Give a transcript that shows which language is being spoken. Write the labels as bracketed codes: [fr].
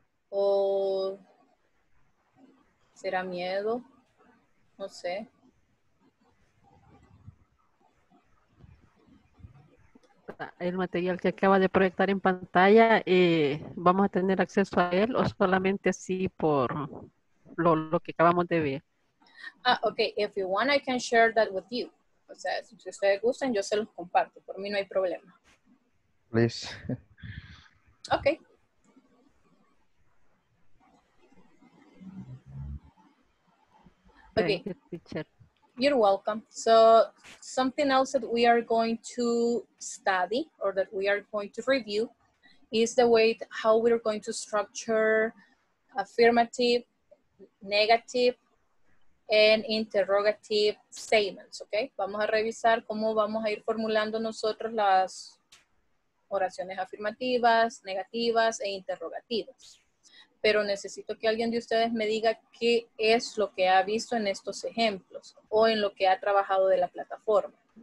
[es] O será miedo, no sé. El material que acaba de proyectar en pantalla, ¿vamos a tener acceso a él o solamente así por lo que acabamos de ver? [en] Ah, ok, if you want, I can share that with you. [es] O sea, si ustedes gustan, yo se los comparto. Por mí no hay problema. [en] Please. Ok. Ok. Thank you, teacher. You're welcome. So, something else that we are going to study or that we are going to review is the way how we are going to structure affirmative, negative, and interrogative statements, okay? [es] Vamos a revisar cómo vamos a ir formulando nosotros las oraciones afirmativas, negativas e interrogativas. Pero necesito que alguien de ustedes me diga qué es lo que ha visto en estos ejemplos o en lo que ha trabajado de la plataforma.